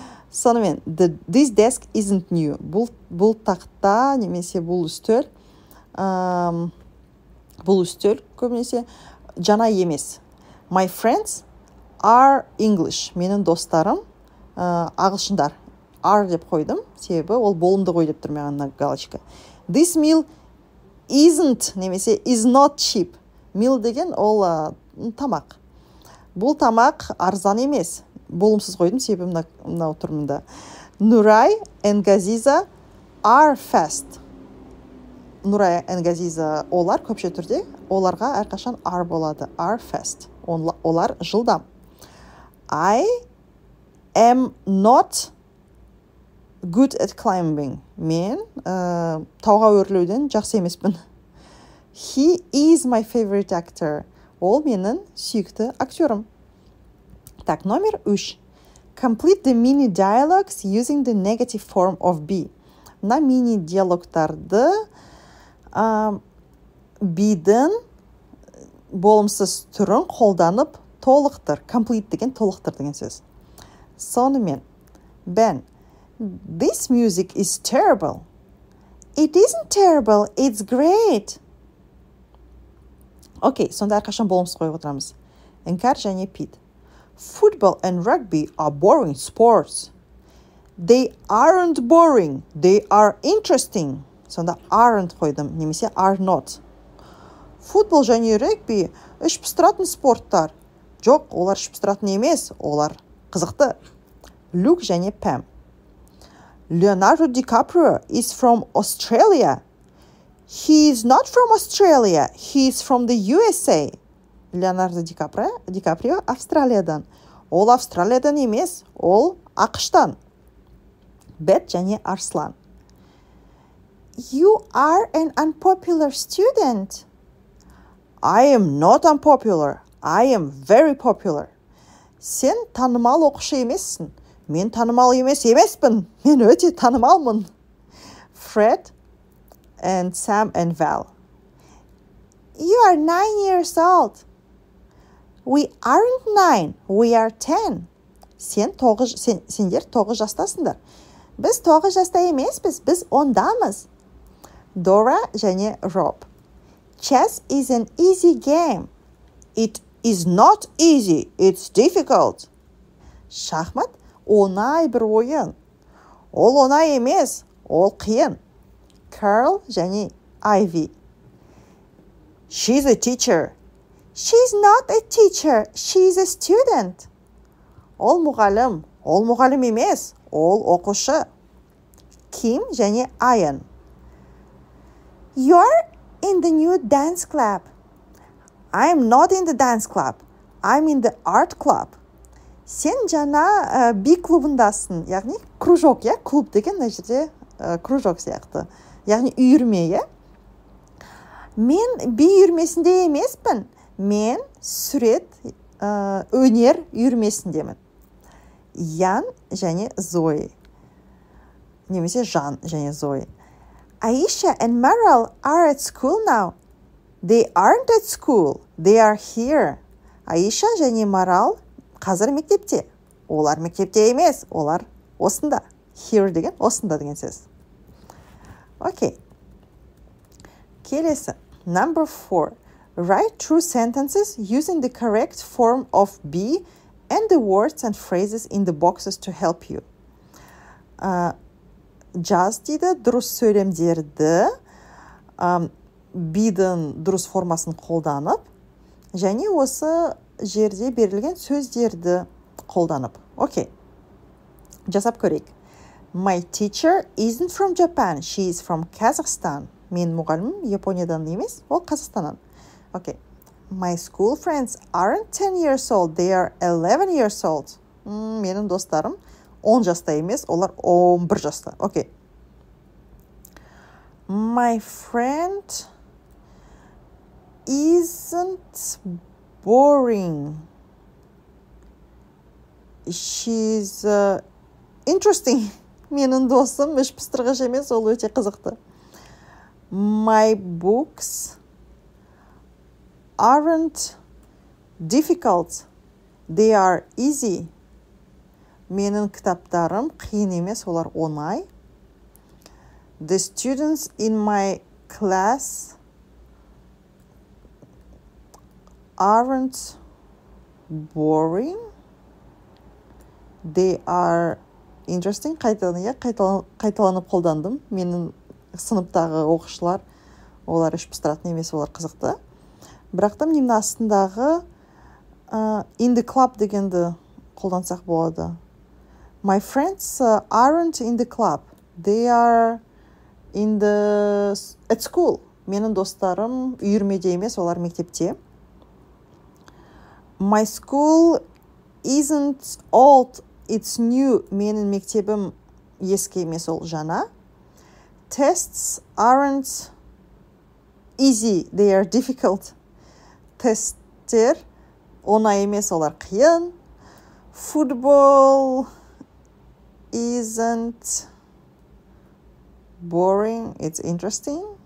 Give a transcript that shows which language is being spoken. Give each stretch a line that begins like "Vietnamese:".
Kazakh: Сонымен,
English: this desk isn't new.
Kazakh: Бұл тақта, немесе бұл үстел, бұл үстел көбінесе жаңа емес.
English: My friends are English.
Kazakh: Менің достарым ағылшындар. Are деп қойдым, себебі ол болымды қой деп тұрмаған мына галочка.
English: This meal isn't,
Kazakh: немесе
English: is not cheap.
Kazakh: Meal деген ол тамақ. Бұл тамақ арзан емес. Болымсыз қойдым, себебі мына отырмында.
English: Nurai and Gaziza are fast.
Kazakh: Nurai and Gaziza олар көпше түрде, оларға әрқашан are болады.
English: Are fast.
Kazakh: Олар жылдам.
English: I am not good at climbing.
Kazakh: Мен тауға өрлеуден жақсы емеспін.
English: He is my favorite actor.
Kazakh: Ол менің сүйікті актерім. Так, номер 3.
English: Complete the mini dialogues using the negative form of be.
Kazakh: На мини диалогтарды be-дің болымсыз түрін қолданып толықтыр. Complete деген толықтыр деген сөз. Сонымен,
English: Ben, this music is terrible. It isn't terrible, it's great.
Kazakh: Окей, сонда әрқашан болымсыз қойып отырамыз. Энкар және Пит.
English: Football and rugby are boring sports. They aren't boring. They are interesting.
Kazakh: Сонда aren't қойдым, немесе are not. Футбол және рэгби іш пыстыратын спорттар. Жоқ, олар іш пыстыратын емес, олар қызықты. Люк және Пэм.
English: Leonardo DiCaprio is from Australia. He is not from Australia. He is from the USA.
Kazakh: Леонардо Дикаприо Австралиядан. Ол Австралиядан емес, ол Ақыштан. Бет және Арслан.
English: You are an unpopular student. I am not unpopular. I am very popular.
Kazakh: Сен танымал оқушы емессің. Мен танымал емеспін. Мен өте танымалмын.
English: Фред and Sam and Val. You are 9 years old. We aren't 9, we are 10.
Kazakh: Сендер 9 жастасыңдар. Біз 9 жаста емеспіз, біз 10-дамыз.
English: Дора және Роб. Chess is an easy game. It is not easy, it's difficult.
Kazakh: Шахмат оңай бір ойын. Ол оңай емес, ол қиын.
English: Карл және Айви. She's a teacher. She's not a teacher, she's a student.
Kazakh: Ол мұғалім. Ол мұғалім емес, ол оқушы. Ким және Айан.
English: You're in the new dance club. I'm not in the dance club. I'm in the art club.
Kazakh: Сен жаңа би клубындасың, яғни кружок, я? Клуб деген мына жерде кружок сияқты. Яғни үйірме, я? Мен би үйірмесінде емеспін. Мен сурет өнер үйірмесіндемін. Ян және Зои. Немесе Жан және Зои.
English: Aisha and Meryl are at school now. They aren't at school. They are here.
Kazakh: Aisha және Meryl қазір мектепте. Олар мектепте емес. Олар осында. Here деген осында деген сөз. Окей. Келесі.
English: Number 4. Write true sentences using the correct form of be and the words and phrases in the boxes to help you.
Kazakh: Жаз дейді дұрыс сөйлемдерді, be-дің дұрыс формасын қолданып, және осы жерде берілген сөздерді қолданып. Окей, жасап көрейік.
English: My teacher isn't from Japan, she is from Kazakhstan.
Kazakh: Мен мұғалім Япониядан емес, ол Қазақстаннан.
English: Okay. My school friends aren't 10 years old, they are 11 years old.
Kazakh: Менің достарым 10 жаста емес, олар 11 жаста.
English: Okay. My friend isn't boring. She's interesting.
Kazakh: Менің досым іш пыстырғыш емес, ол өте қызықты.
English: My books aren't difficult, they are easy.
Kazakh: менің кітаптарым қиын емес, олар оңай.
English: The students in my class aren't boring. They are interesting.
Kazakh: Қайталанып қолдандым. Менің сыныптағы оқушылар, олар іш пыстыратын емес, олар қызықты. Бірақ та менің астындағы
English: in the club
Kazakh: дегенді қолдансақ болады.
English: My friends aren't in the club. They are in the at school.
Kazakh: Менің достарым үйірмеде емес, олар мектепте.
English: My school isn't old, it's new.
Kazakh: Менің мектебім ескі емес, ол жаңа.
English: Tests aren't easy, they are difficult.
Kazakh: Тесттер оңай емес, олар қиын.
English: Football isn't boring, it's interesting.